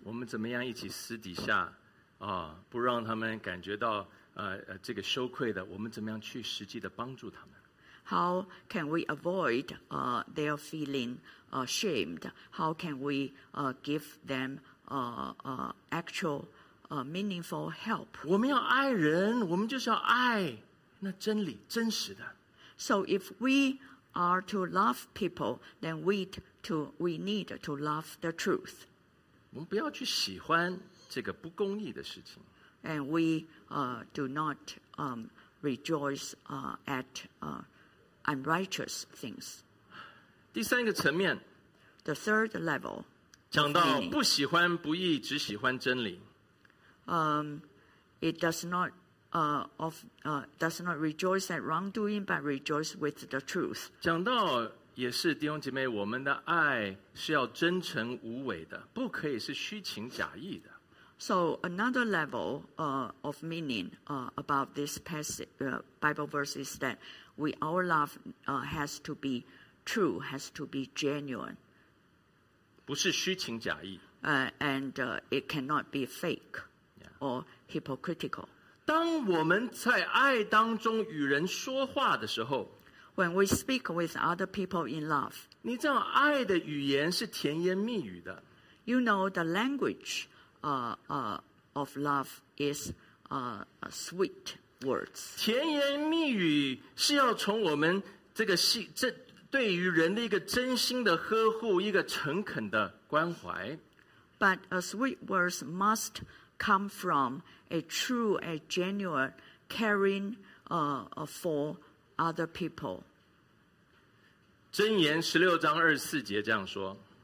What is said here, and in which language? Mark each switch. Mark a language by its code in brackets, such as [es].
[zh] 我们怎么样一起私底下啊，不让他们感觉到这个羞愧的？我们怎么样去实际的帮助他们 [en] ？How can we avoid their feeling ashamed? How can we give them actual meaningful help. [zh] 我们要爱人，我们就是要爱那真理，真实的。 [en] So if we are to love people, then we need to love the truth. [zh] 我们不要去喜欢这个不公义的事情。 [en] And we do not rejoice at unrighteous things. [zh] 第三个层面。 [en] The third level. [zh] 讲到不喜欢不义，只喜欢真理。 [en] It does not rejoice at wrongdoing, but rejoice with the truth. [zh] 讲到也是弟兄姐妹，我们的爱是要真诚无伪的，不可以是虚情假意的。 [en] So another level of meaning about this passage, Bible verse is that our love has to be true, has to be genuine. [zh] 不是虚情假意。 [en] And it cannot be fake. Or hypocritical. [zh] 当我们在爱当中与人说话的时候， [en] When we speak with other people in love, [zh] 你知道爱的语言是甜言蜜语的。 [en] You know the language of love is sweet words. [zh] 甜言蜜语是要从我们这个这对于人的一个真心的呵护，一个诚恳的关怀。 [en] But a sweet words must come from a true, a genuine caring for other people. [zh] 箴言十六章二十四节这样说。